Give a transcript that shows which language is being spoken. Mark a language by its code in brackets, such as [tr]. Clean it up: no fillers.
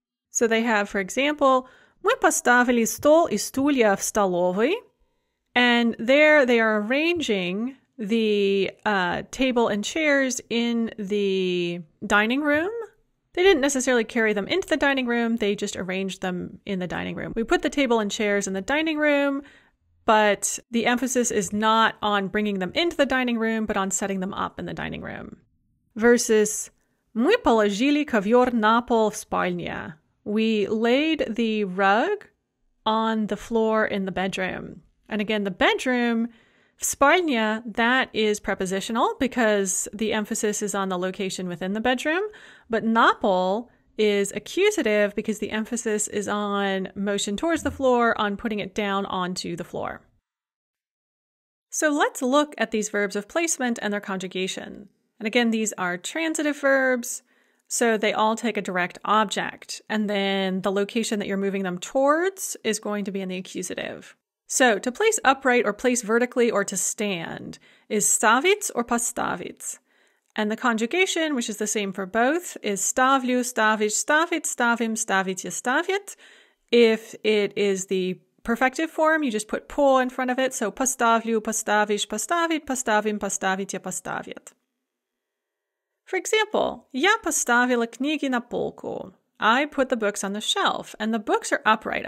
[en] So they have, for example, [ru] мы поставили стол и стулья в столовой, [en] and there they are arranging the table and chairs in the dining room. They didn't necessarily carry them into the dining room, they just arranged them in the dining room. We put the table and chairs in the dining room, but the emphasis is not on bringing them into the dining room, but on setting them up in the dining room. Versus, [ru] мы положили ковёр на пол в спальне. [en] We laid the rug on the floor in the bedroom. And again, the bedroom, в спальне, that is prepositional because the emphasis is on the location within the bedroom. But на пол is accusative because the emphasis is on motion towards the floor, on putting it down onto the floor. So let's look at these verbs of placement and their conjugation. And again, these are transitive verbs. So they all take a direct object. And then the location that you're moving them towards is going to be in the accusative. So to place upright or place vertically or to stand is ставить or поставить. And the conjugation, which is the same for both, is [ru] ставлю, ставишь, ставить, ставим, ставите, ставите. [en] If it is the perfective form, you just put по in front of it. [ru] So поставлю, поставишь, поставить, поставим, поставите, поставите. [en] For example, [ru] я поставила книги на полку. [en] I put the books on the shelf, and the books are upright.